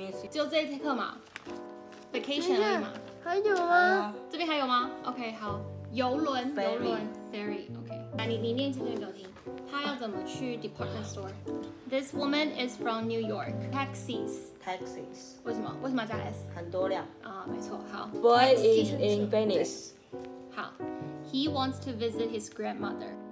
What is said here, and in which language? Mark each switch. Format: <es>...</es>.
<zh>就这一节课嘛 ，vacation 而已嘛，还有吗？这边还有吗 ？OK， 好，游轮 ，ferry，OK，、okay. 来，你念这边给我听，他要怎么去 department store？</zh> <en>This woman is from New York.</en> <zh>Taxis， 为什么加 s？很多辆啊，没错，好。</zh> <en>Boy、Taxis、is in Venice. 好 ，He wants to visit his grandmother.</en>